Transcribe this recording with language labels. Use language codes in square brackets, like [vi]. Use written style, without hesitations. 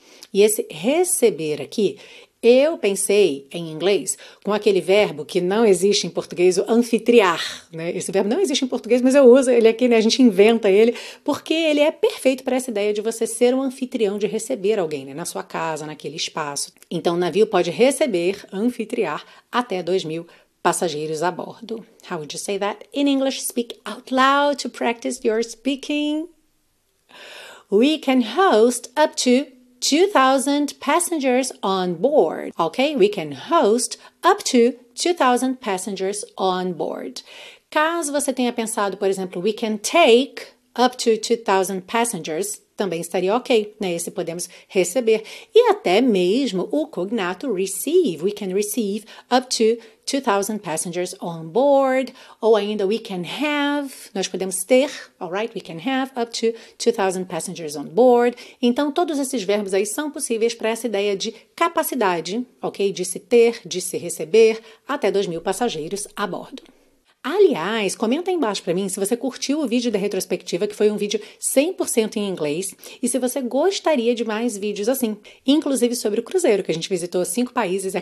[pt] E esse receber aqui, eu pensei em inglês com aquele verbo que não existe em português, o anfitriar, né? Esse verbo não existe em português, mas eu uso ele aqui, né? A gente inventa ele, porque ele é perfeito para essa ideia de você ser um anfitrião, de receber alguém, né? Na sua casa, naquele espaço. Então, o navio pode receber, anfitriar, até 2 mil passageiros a bordo. [en] How would you say that in English? Speak out loud to practice your speaking. We can host up to 2,000 passengers on board. Okay, we can host up to 2,000 passengers on board. [pt] Caso você tenha pensado, por exemplo, [en] we can take up to 2,000 passengers, [pt] também estaria ok, né? Esse podemos receber. E até mesmo o cognato receive. [en] We can receive up to 2,000 passengers on board. [pt] Ou ainda [en] we can have, [pt] nós podemos ter, [en] all right? We can have up to 2,000 passengers on board. [pt] Então, todos esses verbos aí são possíveis para essa ideia de capacidade, ok? De se ter, de se receber até 2 mil passageiros a bordo. Aliás, comenta aí embaixo para mim se você curtiu o vídeo da retrospectiva, que foi um vídeo 100% em inglês, e se você gostaria de mais vídeos assim, inclusive sobre o cruzeiro, que a gente visitou 5 países.